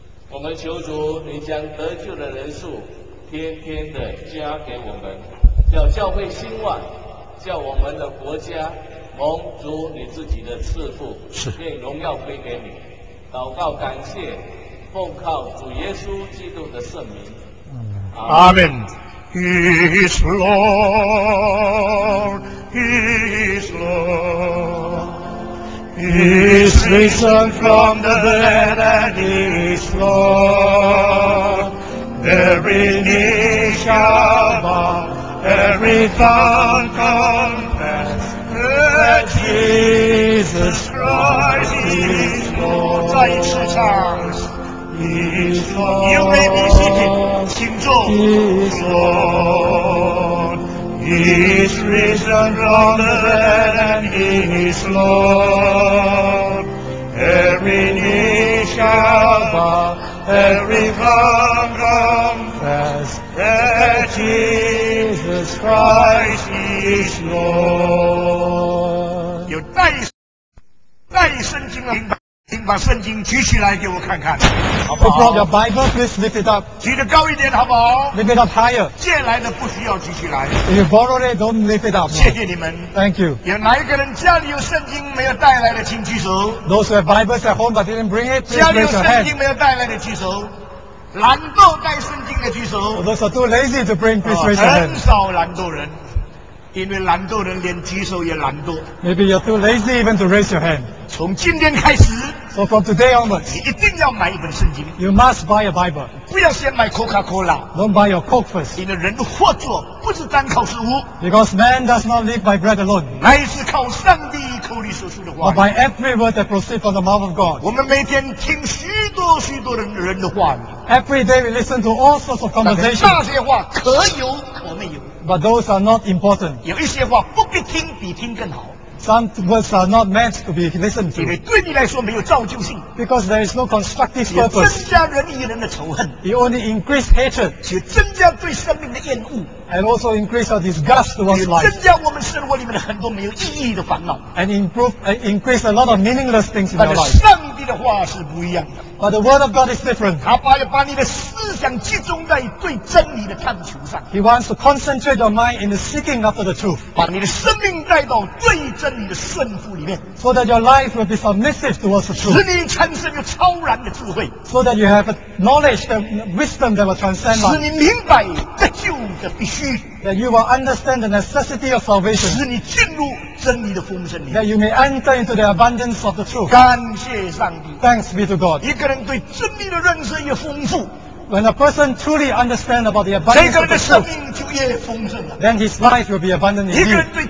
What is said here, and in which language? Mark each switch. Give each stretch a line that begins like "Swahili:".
Chinese: 我们求主你将得救的人数天天的加给我们，叫教会兴旺，叫我们的国家蒙主你自己的赐福，愿荣耀归给你。祷告感谢奉靠主耶稣基督的圣名，阿们。
English: He's Lord, He's Lord, He's risen from the dead and He's Lord. Every knee shall bow, every tongue confess that Jesus Christ is Lord.
Chinese: 再一次唱。
English: You may be seated.
Chinese: 请坐。
English: He's Lord. He's risen from the dead and He is Lord. Every knee shall bow, every tongue confess that Jesus Christ is Lord.
Chinese: 有带圣经的明白。请把圣经举起来给我看看，好不好
English: ？Put up your Bible, please lift it up.
Chinese: 举得高一点，好不好
English: ？Lift it up higher.
Chinese: 借来的不需要举起来。
English: If you borrow it, don't lift it up.
Chinese: 谢谢你们。
English: Thank you.
Chinese: 有哪一个人家里有圣经没有带来的，请举手。
English: Those have Bibles at home but didn't bring it, please raise your hand.
Chinese: 家里有圣经没有带来的举手。懒惰带圣经的举手。
English: Oh, those are too lazy to bring, please raise your hand.
Chinese: 很少懒惰人，因为懒惰人连举手也懒惰。
English: Maybe you're too lazy even to raise your hand.
Chinese: 从今天开始。
English: So from today onwards,
Chinese: 你一定要买一本圣经。
English: You must buy a Bible.
Chinese: 不要先买 Coca-Cola.
English: Don't buy your Coke first.
Chinese: 因为人活着不是单靠食物。
English: Because man does not live by bread alone.
Chinese: 乃是靠上帝口里所出的话。
English: But by every word that proceeds from the mouth of God.
Chinese: 我们每天听许多许多人的话。
English: Every day we listen to all sorts of conversations.
Chinese: 那些话可有可没有。
English: But those are not important.
Chinese: 有一些话不必听比听更好。
English: Some words are not meant to be listened to.
Chinese: 因为对你来说没有造就性。
English: Because there is no constructive purpose.
Chinese: 也增加人与人的仇恨。
English: It only increase hatred.
Chinese: 且增加对生命的厌恶。
English: And also increase our disgust towards life.
Chinese: 也增加我们生活里面的很多没有意义的烦恼。
English: And increase a lot of meaningless things in our life.
Chinese: 但上帝的话是不一样的。
English: But the word of God is different.
Chinese: 他把你的思想集中在对真理的探求上。
English: He wants to concentrate your mind in the seeking after the truth.
Chinese: 把你的生命带到对真理的顺服里面。
English: So that your life will be submissive towards the truth.
Chinese: 使你产生有超然的智慧。
English: So that you have a knowledge, the wisdom that will transcend life.
Chinese: 使你明白得救的必须。
English: That you will understand the necessity of salvation.
Chinese: 使你进入真理的丰盛里。
English: That you may enter into the abundance of the truth.
Chinese: 感谢上帝。
English: Thanks be to God.
Chinese: 一个人对真理的认识越丰富。
English: When a person truly understands about the abundance of the truth, then his life will be abundant indeed.